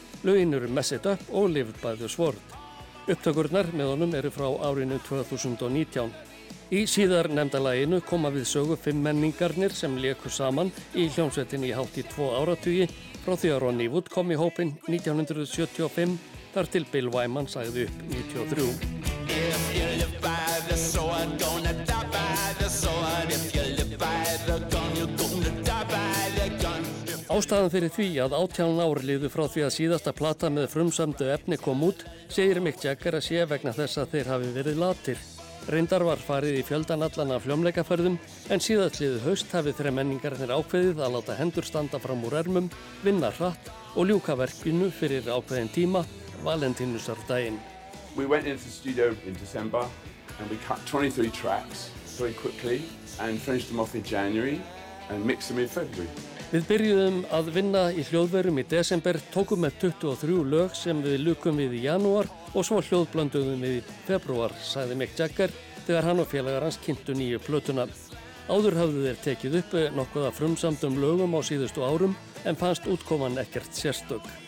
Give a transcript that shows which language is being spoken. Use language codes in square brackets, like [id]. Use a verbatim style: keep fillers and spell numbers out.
[is] Lögin eru Mess It Up og Live by the Sword. Upptökurnar með honum eru frá árinu tvö þúsund og nítján. Í síðar nefnda laginu koma við sögu fimm menningarnir sem léku saman í hljómsveitinni í hátt í tvo áratugi frá því að Ronnie Wood kom í hópinn nítján sjötíu og fimm þar til Bill Wyman sagði upp nítján níutíu og þrjú. [en] If you live by the sword, gonna die by the sword. If you live by the gun, you're gonna die by the gun. [is] Ástæðan fyrir því að átján ár liðu frá því að síðasta plata með frumsamdu efni kom út, segir Mick Jagger að sé vegna þess að þeir hafi verið latir. Reyndar var farið í fjöldan allan af hljómleikaferðum, en síðastliðið haust hafi þremenningarnir ákveðið að láta hendur standa fram úr ermum, vinna hratt og ljúka verkinu fyrir ákveðin tíma, Valentínusardaginn. [en] We went into the studio in December and we cut twenty-three tracks very quickly and finished them off in January and mixed them in February. [is] Við byrjuðum að vinna í hljóðverum í desember, tókum með tuttugu og þrjú lög sem við lukum við í janúar og svo hljóðblönduðum við í februar, sagði Mick Jagger þegar hann og félagar hans kynntu nýju plötuna. Áður hafðu þeir tekið upp nokkuð af frumsamdum lögum á síðustu árum en fannst útkoman ekkert sérstök.